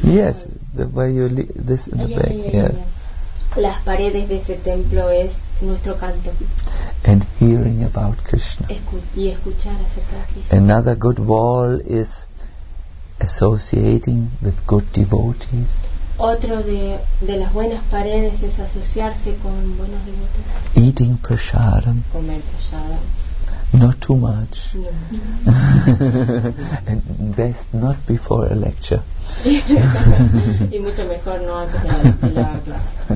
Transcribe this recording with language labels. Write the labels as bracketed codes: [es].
[en] Yes, the way you leave this in the back. Yeah. [es] Las paredes de ese templo es nuestro canto. [en] And hearing about Krishna. [es] Escuchar acerca de Krishna. [en] Another good wall is associating with good devotees. [es] Otro de las buenas paredes es asociarse con buenos devotos. [en] Eating prasadam. [es] Comer prasadam. [en] Not too much. [es] No. [en] And best not before a lecture. [es] Y mucho mejor no antes de la clase.